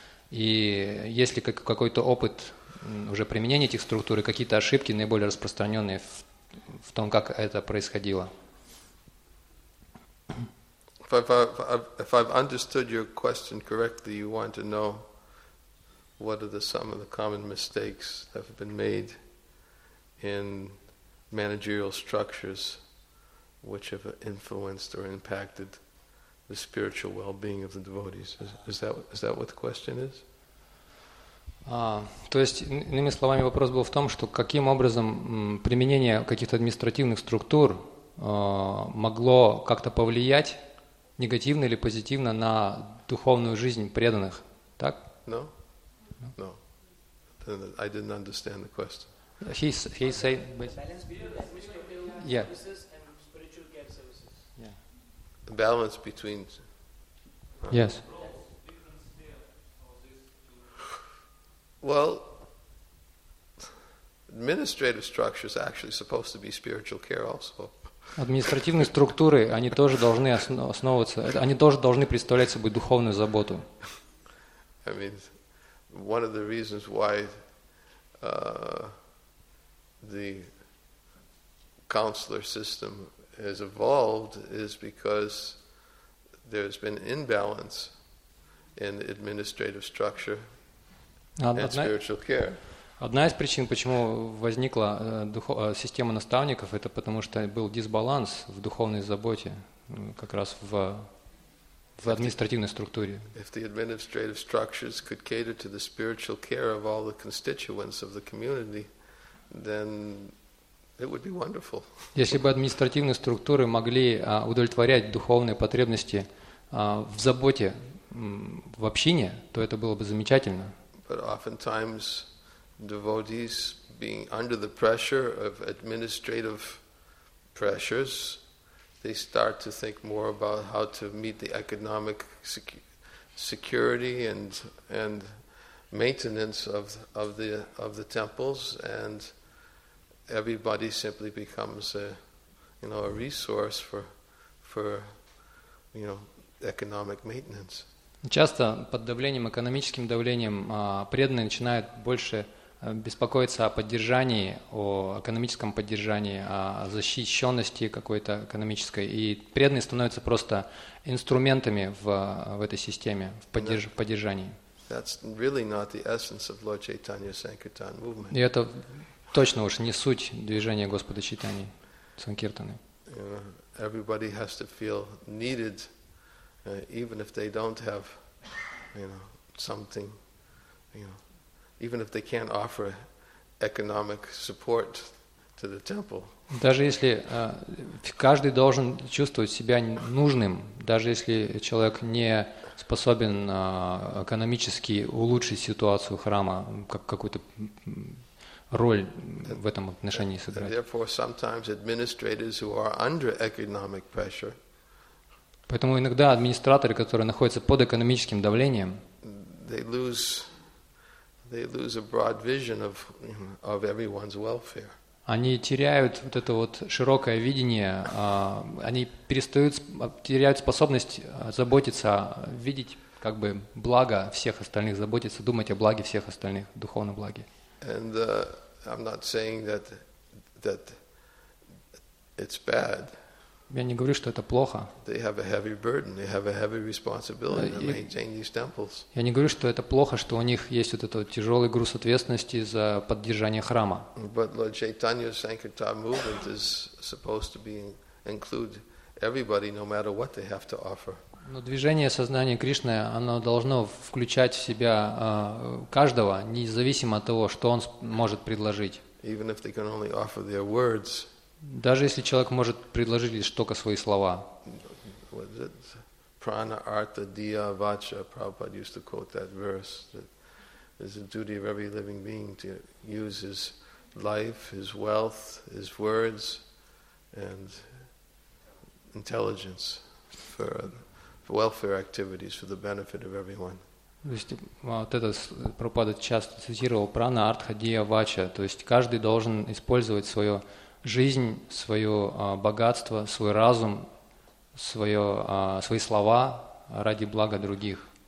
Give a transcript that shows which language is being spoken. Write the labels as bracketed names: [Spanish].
[Russian] И есть ли какой-то опыт уже применения этих структур, какие-то ошибки наиболее распространенные в том, как это происходило? [English] If I've understood your question correctly, you want to know what are some of the common mistakes that have been made in managerial structures which have influenced or impacted the spiritual well-being of the devotees. Is that what the question is? [Russian] То есть, иными словами, вопрос был в том, что каким образом применение каких-то административных структур могло как-то повлиять негативно или позитивно на духовную жизнь преданных, так? [English] No, no. I didn't understand the question. He said, balance between services and spiritual care services. The balance between. Yes. Well, administrative structure is actually supposed to be spiritual care also. [Russian] Административные структуры, они тоже должны основываться, они тоже должны представлять собой духовную заботу. [English] I mean, one of the reasons why the counselor system has evolved is because there's been imbalance in administrative structure and spiritual care. [Russian] Одна из причин, почему возникла система наставников, это потому что был дисбаланс в духовной заботе, как раз в административной структуре. [English] If the administrative structures could cater to the spiritual care of all the constituents of the community, then it would be wonderful. [Russian] Если бы административные структуры могли удовлетворять духовные потребности в заботе в общине, то это было бы замечательно. [English] But oftentimes devotees being under the pressure of administrative pressures, they start to think more about how to meet the economic security and maintenance of the temples, and everybody simply becomes a resource for economic maintenance. [Russian] Часто под давлением, экономическим давлением, преданные начинают больше беспокоиться о поддержании, о экономическом поддержании, о защищенности какой-то экономической. И преданные становятся просто инструментами в этой системе, в поддержании. [English] That's really not the essence of Lord Chaitanya Sankirtan movement. [Russian] И это точно уж не суть движения Господа Чайтаньи Санкиртаны. [English] Everybody has to feel needed, even if they don't have, something, even if they can't offer economic support to the temple. [Russian] Даже если каждый должен чувствовать себя нужным, даже если человек не способен экономически улучшить ситуацию храма, как какую-то роль в этом отношении сыграть. [English] Therefore, sometimes administrators who are under economic pressure. [Russian] Поэтому иногда администраторы, которые находятся под экономическим давлением, [English] they lose a broad vision of everyone's welfare. [Russian] Они теряют вот это вот широкое видение, они теряют способность заботиться, видеть как бы благо всех остальных, заботиться, думать о благе всех остальных, духовном благе. [English] And I'm not saying that it's bad. [Russian] Я не говорю, что это плохо. [English] They have a heavy burden, they have a heavy responsibility to maintain these temples. [Russian] Я не говорю, что это плохо, что у них есть вот этот вот тяжелый груз ответственности за поддержание храма. [English] But Lord Chaitanya's Sankirtan movement is supposed to include everybody, no matter what they have to offer. [Russian] Но движение сознания Кришны, оно должно включать в себя каждого, независимо от того, что он может предложить. [English] Even if they can only offer their words. [Russian] Даже если человек может предложить лишь только свои слова. [Sanskrit] Prana, artha, diya, vacha. [English] Prabhupada used to quote that verse. That it's the duty of every living being to use his life, his wealth, his words, and intelligence for welfare activities for the benefit of everyone. [Russian] То есть вот это Прабхупада часто цитировал: [Sanskrit] prana, artha, diya, vacha. [Russian] То есть каждый должен использовать свое жизнь, свое богатство, свой разум, свои слова ради блага других.